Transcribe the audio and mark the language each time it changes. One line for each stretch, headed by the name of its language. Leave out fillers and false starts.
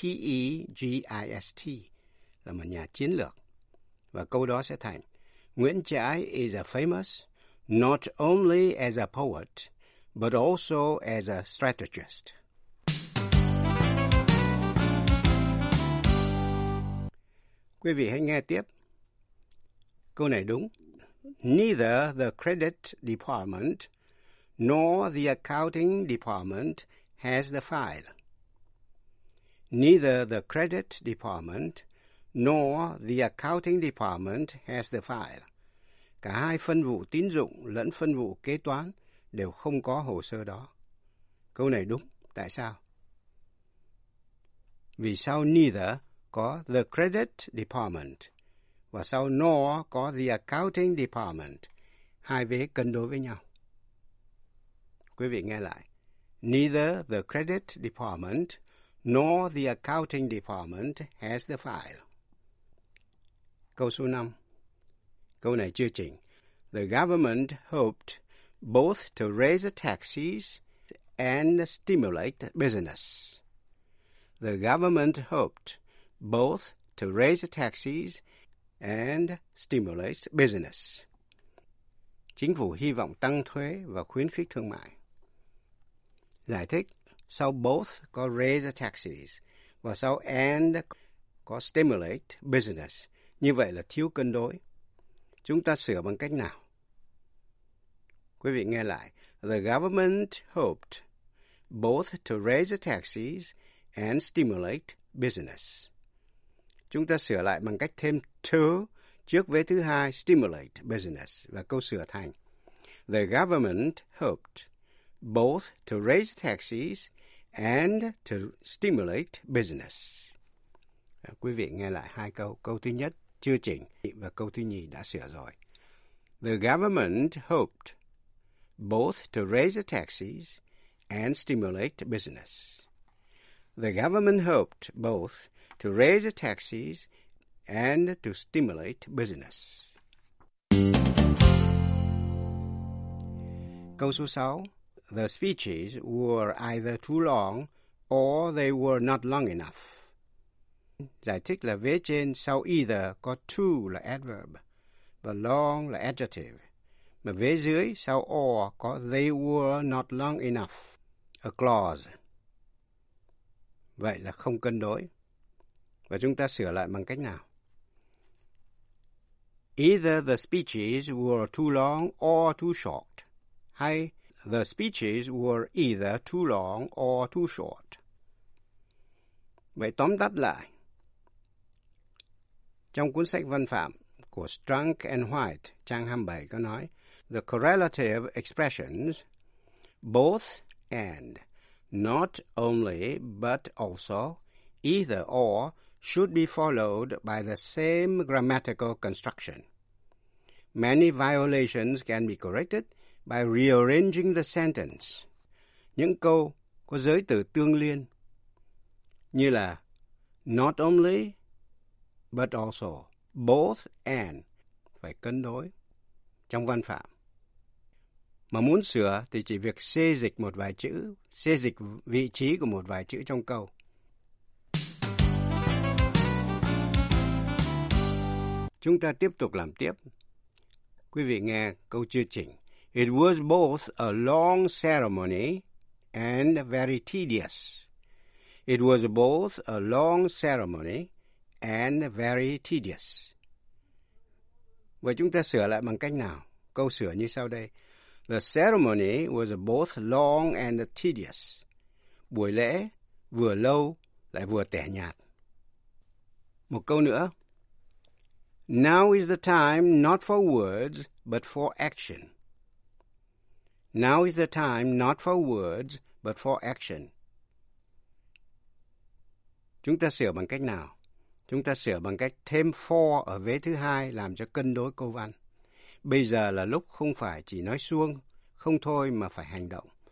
Vietnamese: STRATEGIST là một nhà chiến lược. Và câu đó sẽ thành
English: Nguyễn Trãi is a famous not only as a poet but also as a strategist.
Vietnamese: Quý vị hãy nghe tiếp. Câu này đúng.
English: Neither the credit department nor the accounting department has the file. Neither the credit department nor the accounting department has the file.
Vietnamese: Cả hai phân vụ tín dụng lẫn phân vụ kế toán đều không có hồ sơ đó. Câu này đúng. Tại sao? Vì sao neither có
English: the credit department
Vietnamese: và sau nor có
English: the accounting department,
Vietnamese: hai vế cân đối với nhau. Quý vị nghe lại.
English: Neither the credit department nor the accounting department has the file.
Vietnamese: Câu số 5. Câu này chưa chỉnh.
English: The government hoped both to raise taxes and stimulate business. The government hoped both to raise taxes and stimulate business.
Vietnamese: Chính phủ hy vọng tăng thuế và khuyến khích thương mại. Giải thích, sau both có
English: raise taxes
Vietnamese: và sau and có
English: stimulate business.
Vietnamese: Như vậy là thiếu cân đối. Chúng ta sửa bằng cách nào? Quý vị nghe lại.
English: The government hoped both to raise taxes and stimulate business.
Vietnamese: Chúng ta sửa lại bằng cách thêm to trước vế thứ hai, stimulate business, và câu sửa thành:
English: The government hoped both to raise taxes and to stimulate business.
Vietnamese: Quý vị nghe lại hai câu. Câu thứ nhất chưa chỉnh và câu thứ nhì đã sửa rồi.
English: The government hoped both to raise taxes and stimulate business. The government hoped both to raise taxes and to stimulate business.
Vietnamese: Câu số 6.
English: The speeches were either too long or they were not long enough.
Vietnamese: Giải thích là vế trên sau either có too là adverb và long là adjective. Mà vế dưới sau
English: or có they were not long enough, a clause.
Vietnamese: Vậy là không cân đối. Và chúng ta sửa lại bằng cách nào?
English: Either the speeches were too long or too short. Hay the speeches were either too long or too short.
Vietnamese: Vậy tóm tắt lại. Trong cuốn sách văn phạm của Strunk and White, trang 27 có nói,
English: the correlative expressions, both and, not only but also, either or, should be followed by the same grammatical construction. Many violations can be corrected by rearranging the sentence.
Vietnamese: Những câu có giới từ tương liên như là
English: not only but also, both and,
Vietnamese: phải cân đối trong văn phạm. Mà muốn sửa thì chỉ việc xê dịch một vài chữ, xê dịch vị trí của một vài chữ trong câu. Chúng ta tiếp tục làm tiếp. Quý vị nghe câu chưa chỉnh.
English: It was both a long ceremony and very tedious. It was both a long ceremony and very tedious.
Vietnamese: Vậy chúng ta sửa lại bằng cách nào? Câu sửa như sau đây.
English: The ceremony was both long and tedious.
Vietnamese: Buổi lễ vừa lâu lại vừa tẻ nhạt. Một câu nữa.
English: Now is the time not for words but for action. Now is the time not for words but for action.
Vietnamese: Chúng ta sửa bằng cách nào? Chúng ta sửa bằng cách thêm
English: for
Vietnamese: ở vế thứ hai làm cho cân đối câu văn. Bây giờ là lúc không phải chỉ nói suông, không thôi mà phải hành động.